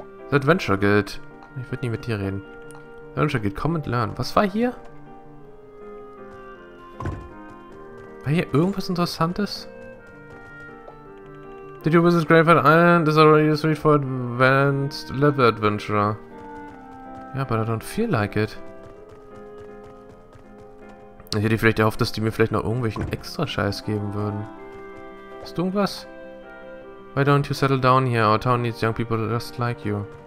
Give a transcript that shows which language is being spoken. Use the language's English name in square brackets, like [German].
[German] The Adventure Guild. Ich würde nie mit dir reden. Adventure Guild, [English] come and learn. [German] Was war hier? War hier irgendwas Interessantes? [English] Did you visit Greyfell Island? This is already a suite for advanced level adventurer. Yeah, but I don't feel like it. [German] Ich hätte vielleicht erhofft, dass die mir vielleicht noch irgendwelchen extra Scheiß geben würden. Hast du irgendwas? [English] Why don't you settle down here? Our town needs young people just like you.